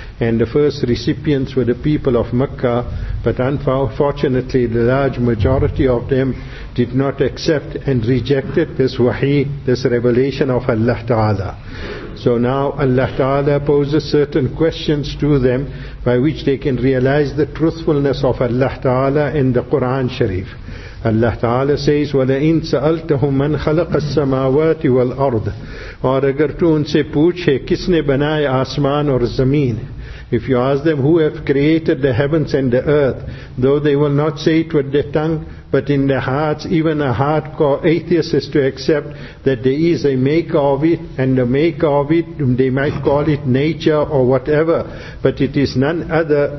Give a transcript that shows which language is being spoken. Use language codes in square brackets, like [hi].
[en] And the first recipients were the people of Mecca, but unfortunately the large majority of them did not accept and rejected this wahi, this revelation of Allah Ta'ala. So now Allah Ta'ala poses certain questions to them by which they can realize the truthfulness of Allah Ta'ala in the Quran Sharif. [ar] Allah Ta'ala says, وَلَئِن سَأَلْتَهُمْ مَنْ خَلَقَ السَّمَاوَاتِ وَالْأَرْضِ. [ur] اور اگر تو ان سے پوچھے کس نے بنائے آسمان اور زمین. [en] If you ask them, who have created the heavens and the earth, though they will not say it with their tongue, but in their hearts, even a hardcore atheist is to accept that there is a maker of it, and the maker of it, they might call it nature or whatever, but it is none other.